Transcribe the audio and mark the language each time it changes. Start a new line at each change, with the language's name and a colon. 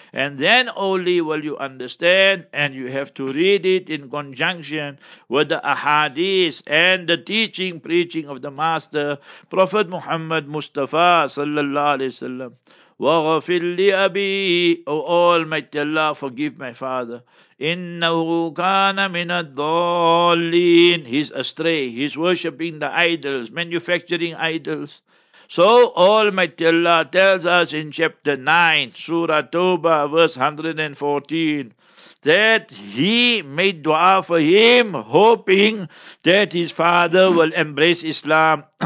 English: And then only will you understand, and you have to read it in conjunction with the ahadith and the teaching, preaching of the Master, Prophet Muhammad Mustafa sallallahu alaihi wasallam.
Arabic: وَغَفِرْ لِأَبِي
English: Oh Almighty Allah, forgive my father.
Arabic: إِنَّهُ كَانَ مِنَ الضَّالِينَ
English: He's astray. He's worshipping the idols, manufacturing idols. So Almighty Allah tells us in chapter 9, Surah Tawbah, verse 114, that he made dua for him, hoping that his father will embrace Islam.